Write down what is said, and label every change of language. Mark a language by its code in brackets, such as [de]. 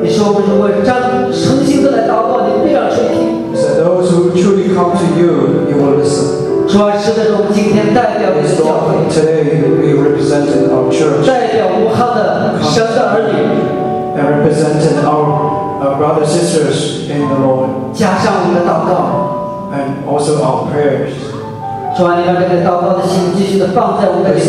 [zh] 你说不是为诚心的来祷告，你必然垂听。 [en] So those who truly come to you, you will listen. [zh] 主啊，是的，我们今天代表你的教会。 [en] Today we represent our church. [zh] 代表武汉的神的儿女。 [en] And represent our brothers and sisters in the Lord. [zh] 加上我们的祷告。 [en] And also our prayers. [zh] 主啊，你把这个祷告的心继续的放在我们里面。